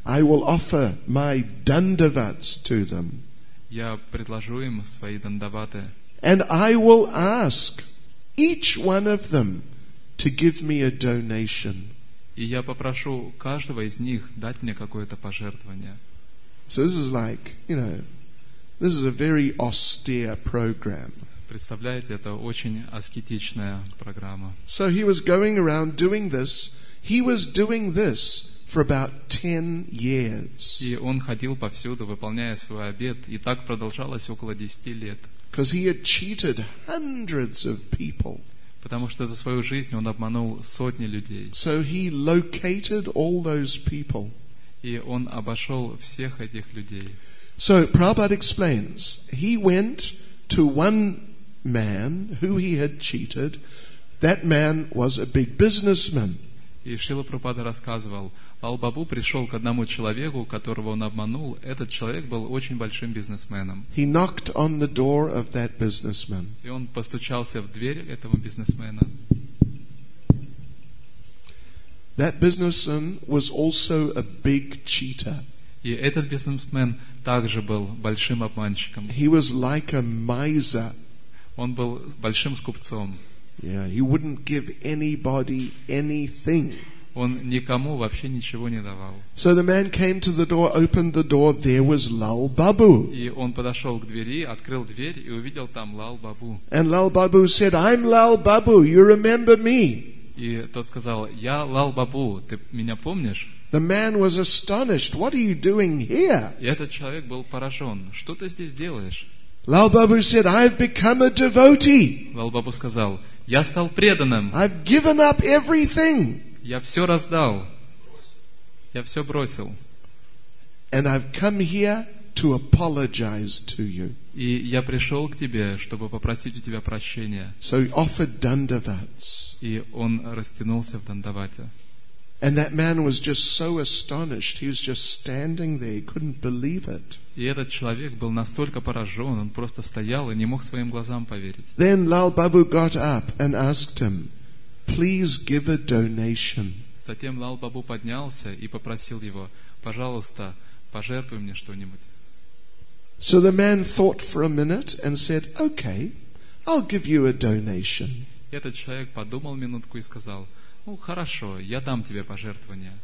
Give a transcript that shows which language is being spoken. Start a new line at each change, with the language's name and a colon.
English: I will offer my dandavats to them.
Russian: Я предложу им свои дандаваты.
English: And I will ask each one of them to give me a donation.
Russian: И я попрошу каждого из них дать мне какое-то пожертвование.
English: So this is like, you know, this is a very austere program.
Russian: Представляете, это очень аскетичная программа.
English: So he was going around doing this. He was doing this for about 10 years.
Russian: И он ходил повсюду, выполняя свой обет, и так продолжалось около 10 лет.
English: Because he had cheated hundreds of people.
Russian: Потому что за свою жизнь он обманул сотни людей.
English: So he located all those people.
Russian: И он обошел всех этих людей.
English: So Prabhupada explains, he went to one man who he had cheated. That man was a big businessman.
Russian: И Шрила Прабхупада рассказывал, Лал Бабу пришел к одному человеку, которого он обманул. Этот человек был очень большим бизнесменом.
English: He knocked on the door of that businessman.
Russian: И он постучался в дверь этого бизнесмена.
English: That businessman was also a big cheater.
Russian: И этот бизнесмен также был большим обманщиком.
English: He was like a miser.
Russian: Он был большим скупцом.
English: Yeah, he wouldn't give anybody anything.
Russian: Он никому вообще ничего не давал.
English: So the man came to the door, opened the door, there was Lal Babu.
Russian: И он подошел к двери, открыл дверь и увидел там Лал Бабу.
English: And Lal Babu said, I'm Lal Babu, you remember me.
Russian: И тот сказал, я Лал Бабу, ты меня помнишь?
English: The man was astonished, what are you doing here?
Russian: И этот человек был поражен, что ты здесь делаешь?
English: Lal Babu said, I've become a devotee.
Russian: Лал Бабу сказал, я стал преданным.
English: I've given up everything.
Russian: Я все раздал. Я все бросил.
English: And I've come here to apologize to you.
Russian: И я пришел к тебе, чтобы попросить у тебя прощения.
English: So he offered dandavats.
Russian: И он растянулся в дандавате.
English: And that man was just so astonished. He was just standing there. He couldn't believe it.
Russian: И этот человек был настолько поражен, он просто стоял и не мог своим глазам поверить.
English: Then Lal Babu got up and asked him, please give a donation.
Russian: Затем Лал Бабу поднялся и попросил его, пожалуйста, пожертвуй мне что-нибудь.
English: So the man thought for a minute and said, okay, I'll give you a donation.
Russian: Этот человек подумал минутку и сказал, ну хорошо, я дам тебе пожертвование.